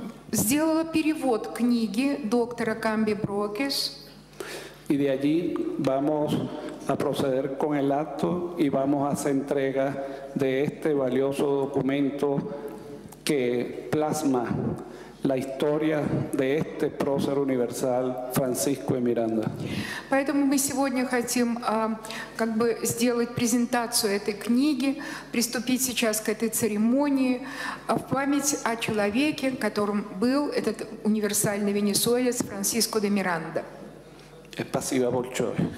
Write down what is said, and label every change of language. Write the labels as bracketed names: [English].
[Russian] Сделала перевод книги доктора Камби Брокес. [Spanish] Y de allí vamos a proceder con el acto y vamos a hacer entrega de este valioso documento que plasma la historia de este prócer universal Francisco de Miranda. [Russian] Поэтому мы сегодня хотим как бы сделать презентацию этой книги, приступить сейчас к этой церемонии в память о человеке, которым был этот универсальный венесуэлец Франциско де Миранда. Спасибо большое.